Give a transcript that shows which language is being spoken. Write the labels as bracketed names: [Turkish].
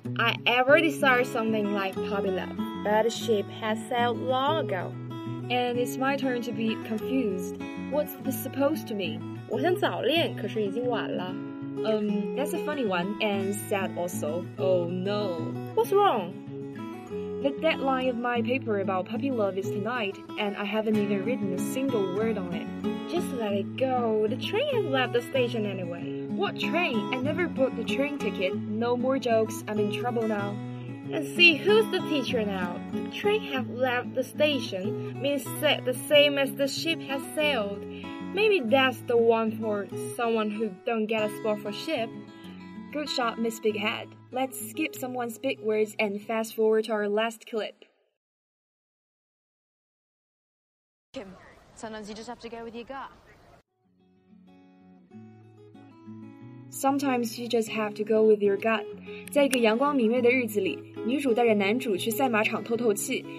[English] I ever desired something like puppy love, but the ship has sailed long ago. And it's my turn to be confused. What's this supposed to mean? [Chinese] 我想早恋，可是已经晚了。 [English] That's a funny one, and sad also. Oh no. What's wrong? The deadline of my paper about puppy love is tonight, and I haven't even written a single word on it. Just let it go. The train has left the station anyway. What train? I never booked a train ticket. No more jokes. I'm in trouble now. And see, who's the teacher now? The train have left the station means set the same as the ship has sailed. Maybe that's the one for someone who don't get a spot for ship. Good shot, Miss Big Head. Let's skip someone's big words and fast forward to our last clip. Kim, sometimes you just have to go with your gut. Sometimes you just have to go with your gut. [Chinese] 在一个阳光明媚的日子里，女主带着男主去赛马场透透气。